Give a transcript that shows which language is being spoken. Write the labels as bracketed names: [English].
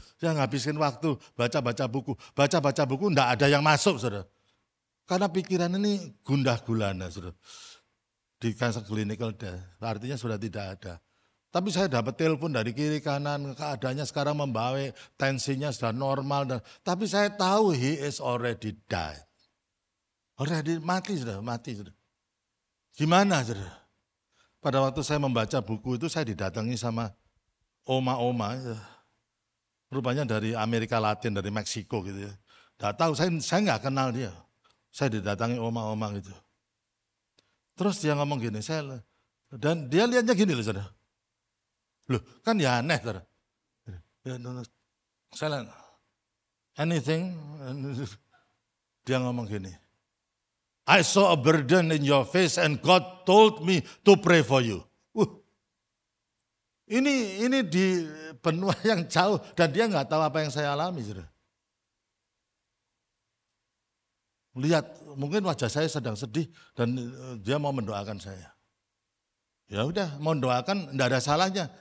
[Indonesian] Saya ngabisin waktu baca-baca buku. Baca-baca buku, enggak ada yang masuk, saudara. Karena pikiran ini gundah gulana, saudara. Di [English] cancer clinical death, [Indonesian] artinya sudah tidak ada. Tapi saya dapat telepon dari kiri kanan, keadaannya sekarang membaik, tensinya sudah normal. Tapi saya tahu [English] he is already died. [Indonesian] Already mati, saudara, mati, saudara. Gimana, saudara? Pada waktu saya membaca buku itu, saya didatangi sama oma-oma, rupanya dari Amerika Latin, dari Meksiko gitu ya. Nggak tahu, saya nggak kenal dia. Saya didatangi oma-oma gitu. Terus dia ngomong gini, saya, dan dia lihatnya gini loh, saudara. Loh, kan ya aneh, saudara. Ya, no. Saya lihat, anything, dia ngomong gini. [English] I saw a burden in your face and God told me to pray for you. [Indonesian] Ini di benua yang jauh dan dia enggak tahu apa yang saya alami, saudara. Lihat, mungkin wajah saya sedang sedih dan dia mau mendoakan saya. Ya udah, mau doakan enggak ada salahnya.